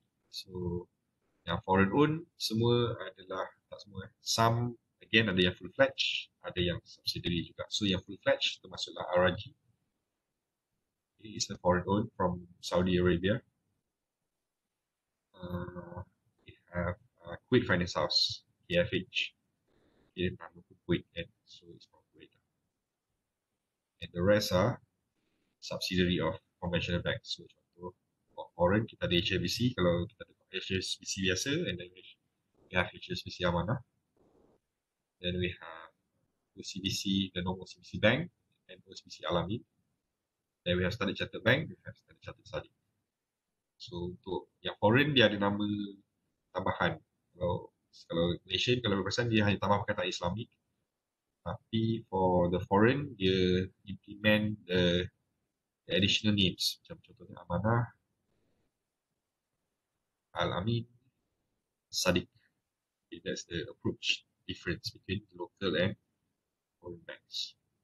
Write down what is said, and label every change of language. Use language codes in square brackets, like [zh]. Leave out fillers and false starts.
[ms] So yang foreign owned semua adalah, tak semua, some again ada yang full fledged, ada yang subsidiary juga. So yang full fledged termasuklah RRG. [en] Okay, it's a foreign owned from Saudi Arabia. We have Kuwait Finance House, KFH. Okay, [ms] nama pun Kuwait kan, [en] so it's from Kuwait. And the rest are subsidiary of conventional banks. [ms] So contoh, for foreign kita ada HSBC, kalau kita ada HSBC biasa, [en] and then we have [ms] HSBC Amanah. [en] Then we have OCBC, the normal OCBC Bank, and OCBC Alamin. Then we have Standard Chartered Bank, we have Standard Chartered Salik. [ms] So untuk yang foreign dia ada nama tambahan. Kalau Malaysian, kalau berpesan dia hanya tambah perkataan Islamic. Tapi [en] for the foreign dia implement the additional names. [ms] Macam contohnya Amanah, Al-Amin, Sadiq. [en] Okay, that's the approach difference between local and foreign banks.